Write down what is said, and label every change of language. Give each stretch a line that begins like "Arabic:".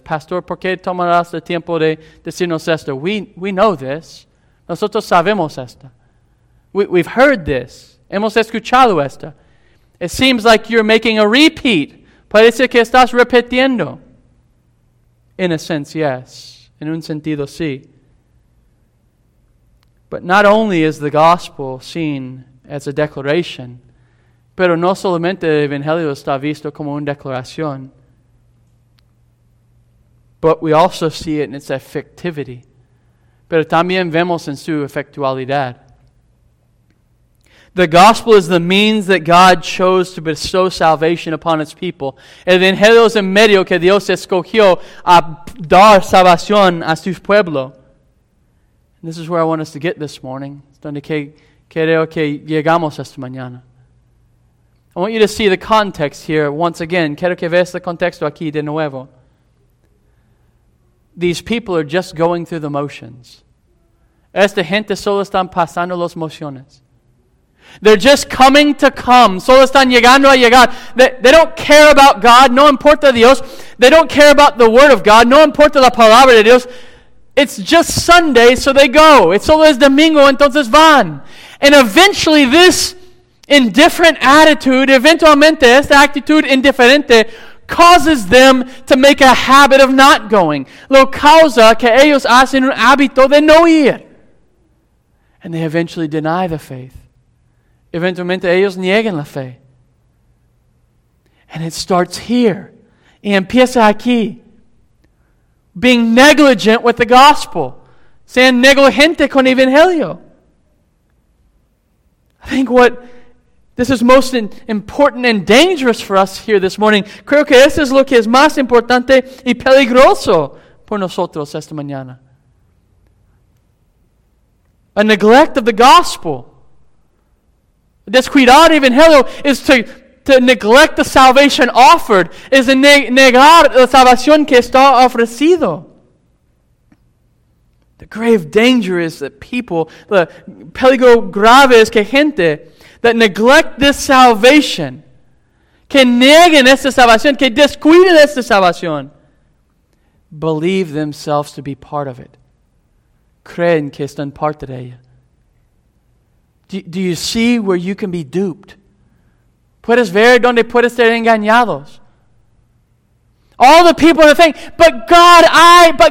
Spanish: Pastor, ¿por qué tomarás el tiempo de decirnos esto?
English: We know this.
Spanish: Nosotros sabemos esto.
English: We've heard this.
Spanish: Hemos escuchado esto.
English: It seems like you're making a repeat.
Spanish: Parece que estás repitiendo.
English: In a sense, yes.
Spanish: En un sentido, sí.
English: But not only is the gospel seen as a declaration,
Spanish: pero no solamente el evangelio está visto como una declaración,
English: but we also see it in its effectivity.
Spanish: Pero también vemos en su efectualidad.
English: The gospel is the means that God chose to bestow salvation upon his people.
Spanish: El evangelio es el medio que Dios escogió a dar salvación a su pueblo.
English: And this is where I want us to get this morning.
Spanish: Es donde creo que llegamos esta mañana.
English: I want you to see the context here once again.
Spanish: Quiero que veas el contexto aquí de nuevo.
English: These people are just going through the motions.
Spanish: Esta gente solo están pasando las emociones.
English: They're just coming to come.
Spanish: Solo están llegando a llegar.
English: They don't care about God.
Spanish: No importa Dios.
English: They don't care about the Word of God.
Spanish: No importa la Palabra de Dios.
English: It's just Sunday, so they go. It's
Spanish: solo es domingo, entonces van.
English: And eventually this indifferent attitude,
Spanish: eventualmente, esta actitud indiferente,
English: causes them to make a habit of not going.
Spanish: Lo causa que ellos hacen un hábito de no ir.
English: And they eventually deny the faith.
Spanish: Eventualmente, ellos niegan la fe.
English: And it starts here.
Spanish: Y empieza aquí.
English: Being negligent with the gospel.
Spanish: Sean negligente con el evangelio.
English: I think what this is most important and dangerous for us here this morning.
Spanish: Creo que eso es lo que es más importante y peligroso por nosotros esta mañana.
English: A neglect of the gospel.
Spanish: Descuidar evangelio
English: is to neglect the salvation offered. Is to
Spanish: negar la salvación que está ofrecido.
English: The grave danger is that people, the
Spanish: peligro grave es que gente
English: that neglect this salvation,
Spanish: que nieguen esta salvación,
English: que descuiden esta salvación, believe themselves to be part of it.
Spanish: Creen que están parte de ella.
English: Do you see where you can be duped?
Spanish: Puedes ver donde puedes ser engañados.
English: All the people that think, but God, I.